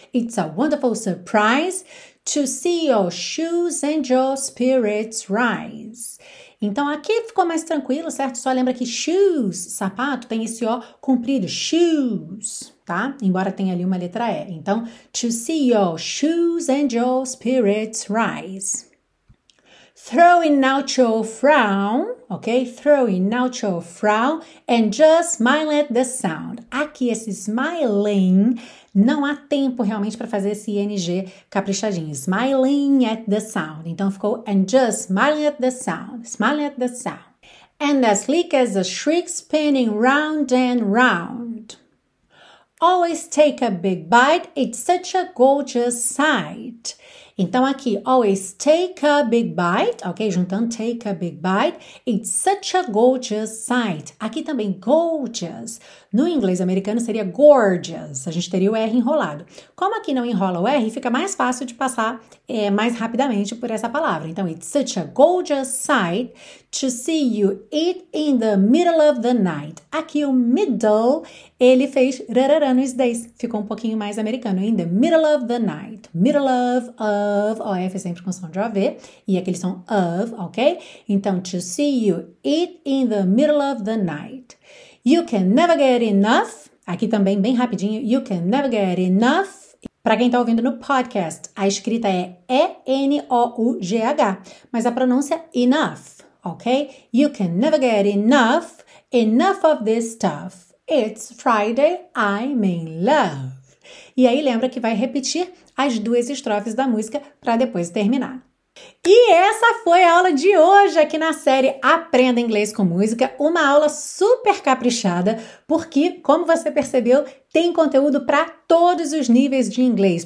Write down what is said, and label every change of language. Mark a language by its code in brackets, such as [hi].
[en] It's a wonderful surprise to see your shoes and your spirits rise. [pt] Então aqui ficou mais tranquilo, certo? Só lembra que shoes, sapato, tem esse O comprido, shoes, tá? Embora tenha ali uma letra E. [en] Então, to see your shoes and your spirits rise. Throwing out your frown, ok? Throwing out your frown and just smile at the sound. [pt] Aqui, esse smiling, não há tempo realmente para fazer esse ing caprichadinho. [en] Smiling at the sound. [pt] Então ficou [en] and just smiling at the sound. Smiling at the sound. and as sleek as a shriek spinning round and round. Always take a big bite, it's such a gorgeous sight. [pt] Então aqui, [en] always take a big bite, ok? [pt] Juntando [en] take a big bite, it's such a gorgeous sight. [pt] Aqui também, gorgeous. No inglês americano seria gorgeous, a gente teria o R enrolado. Como aqui não enrola o R, fica mais fácil de passar mais rapidamente por essa palavra. [en] Então, it's such a gorgeous sight to see you eat in the middle of the night. [pt] Aqui o middle, ele fez rarará no days. Ficou um pouquinho mais americano. [en] In the middle of the night. Middle of, OF [pt] é sempre com som de OV. E aquele som [en] of, ok? Então, to see you eat in the middle of the night. You can never get enough. [pt] Aqui também, bem rapidinho. [en] You can never get enough. [pt] Para quem está ouvindo no podcast, a escrita é E-N-O-U-G-H. Mas a pronúncia é enough. Ok? [en] You can never get enough, enough of this stuff. It's Friday, I'm in love. [pt] E aí lembra que vai repetir as duas estrofes da música para depois terminar. E essa foi a aula de hoje aqui na série Aprenda Inglês com Música, uma aula super caprichada, porque, como você percebeu, tem conteúdo para todos os níveis de inglês.